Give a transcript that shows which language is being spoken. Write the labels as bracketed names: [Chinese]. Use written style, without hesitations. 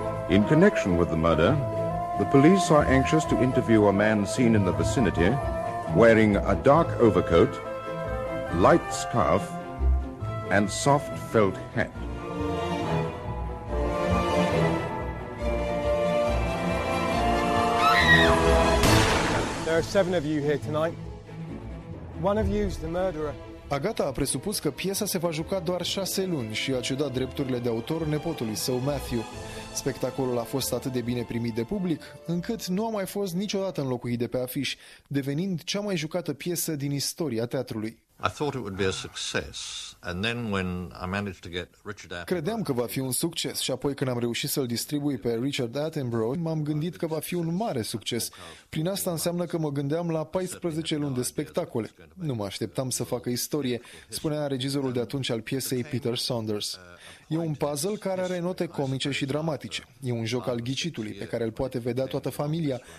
[English] In connection with the murder, the police are anxious to interview a man seen in the vicinity, wearing a dark overcoat, light scarf and soft felt hat. There are 7 of you here tonight. One of you is the murderer. [Romanian] Agatha a presupus că piesa se va juca doar 6 luni și a cedat drepturile de autor nepotului său Matthew. Spectacolul a fost atât de bine primit de public, încât nu a mai fost niciodată înlocuit de pe afiș, devenind cea mai jucată piesă din istoria teatrului. [English] I thought it would be a success, and then when I managed to get Richard Attenborough. [Romanian] Credeam că va fi un succes și apoi când am reușit să-l distribui pe Richard Attenborough, m-am gândit că va fi un mare succes. Prin asta înseamnă că mă gândeam la 14 luni de spectacole. Nu mă așteptam să facă istorie, spunea regizorul de atunci al piesei Peter Saunders. E un puzzle care are note comice și dramatice. E un joc al ghicitului pe care îl poate vedea toată familia.